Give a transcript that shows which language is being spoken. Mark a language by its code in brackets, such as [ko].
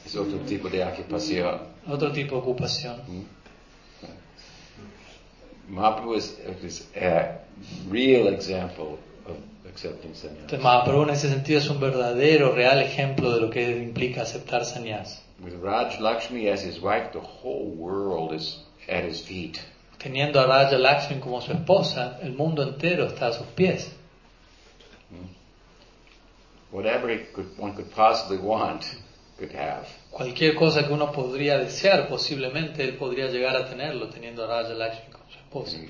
[es] Es otro tipo de ocupación. Otro tipo de ocupación. [en] Mahaprabhu is a real example of accepting sannyas. [es] Entonces, Mahaprabhu en ese sentido es un verdadero, real ejemplo de lo que implica aceptar sannyas. [en] With Raj Lakshmi as his wife, the whole world is at his feet. [es] Teniendo a Raja Lakshmi como su esposa, el mundo entero está a sus pies. [en] Whatever one could possibly want, could have. [es] Cualquier cosa que uno podría desear, posiblemente él podría llegar a tenerlo teniendo a Raja Lakshmi como su esposa.